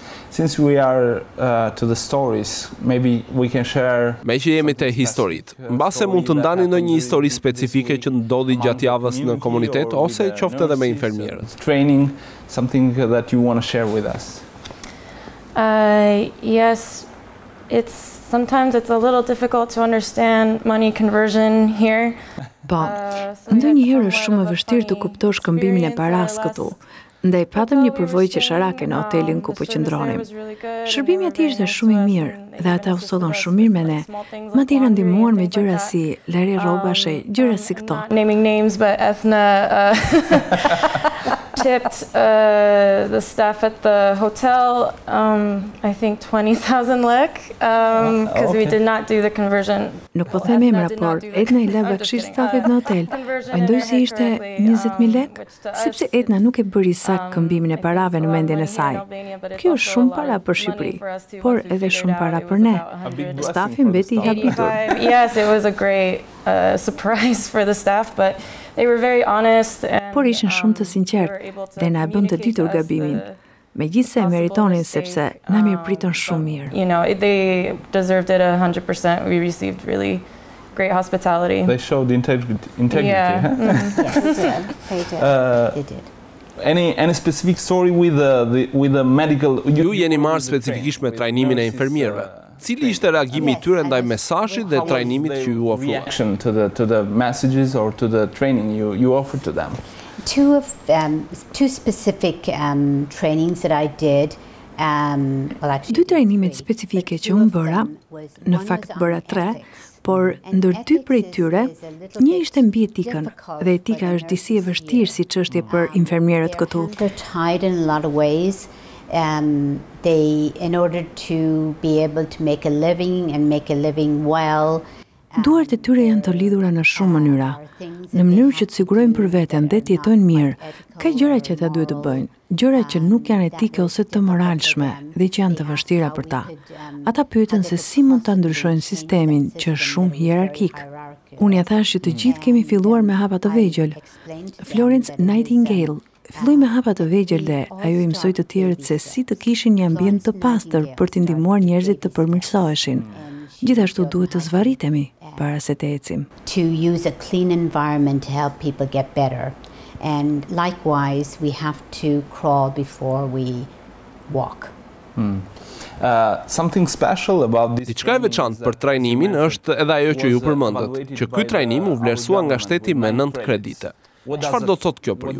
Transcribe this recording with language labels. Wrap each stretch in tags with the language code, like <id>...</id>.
<en>Since we are to the stories, maybe we can share.</en> <sq>Me që jemi te historitë, mbase mund të ndani ndonjë histori specifike që ndodhi gjatë javës në komunitet ose qoftë edhe me infermierët.</sq> <en>Training, something that you want to share with us. Yes. Sometimes it's a little difficult to understand money conversion here.</en> <sq>Po, ndonjëherë është shumë e vështirë të kuptosh këmbimin e parasë këtu. Ndaj patëm një përvojë qesharake në hotelin ku po qëndronim. Shërbimi aty ishte shumë i mirë dhe ata u sollën shumë mirë me ne. Madje na ndihmuan me gjëra si larë rrobash, gjëra si këto.</sq> <en>Naming names but Ethna tipped the staff at the hotel I think 20,000 lek because we did not do the conversion.</en> <sq>Nuk po them emra, por Edna i la bakshi stafit në hotel. Mendoj se ishte 20,000 lek sepse Edna nuk e bëri sak këmbimin e parave në mendjen e saj. Kjo është shumë para për Shqipëri, por edhe shumë para për ne. Stafi mbeti i habitur.</sq> <en>Yes, it was a great surprise for the staff, but they were very honest and</en> <sq>por ishin shumë të sinqertë dhe na bën të ditur gabimin. Megjithse e meritonin sepse na mirëpritën shumë mirë.</sq> <en>You know, they deserved it 100%. We received really great hospitality. They showed integrity. Yeah. Mm-hmm. They did. Any specific story with the medical</en> <sq>ju jeni marr specifikisht me trajnimin e infermierëve. Cili ishte reagimi i tyre ndaj mesazhit dhe trajnimit që ju ofruan?</sq> <en>To the messages or to the training you offered to them? Two specific trainings that I did.</en> <sq>Dy trajnimet specifike që unë bëra, në fakt bëra tre, por ndër dy prej tyre, një ishte mbi etikën, dhe etika është disi e vështirë si çështje për infermierët këtu.</sq> <en>They in order to be able to make a living and make a living well.</en> <sq>Duart e tyre janë të lidhura në shumë mënyra, në mënyrë që të sigurojnë për veten dhe të jetojnë mirë. Ka gjëra që ata duhet të bëjnë, gjëra që nuk janë etike ose të moralshme dhe që janë të vështira për ta. Ata pyeten se si mund ta ndryshojnë sistemin që është shumë hierarkik. Unë ja thash që të gjithë kemi filluar me hapa të vegjël. Florence Nightingale filloi me hapa të vegjël dhe ajo i mësoi të tjerët se si të kishin një ambient të pastër për të ndihmuar njerëzit të përmirësoheshin. Gjithashtu duhet të zvaritemi para se të ecim.</sq> <en>To use a clean environment to help people get better. And likewise, we have to crawl before we walk. Something special about this.</en> <sq>Diçka e veçantë për trajnimin është edhe ajo që ju përmendët, që ky trajnim u vlerësua nga shteti me 9 kredite. Çfarë do të thotë kjo për ju?</sq>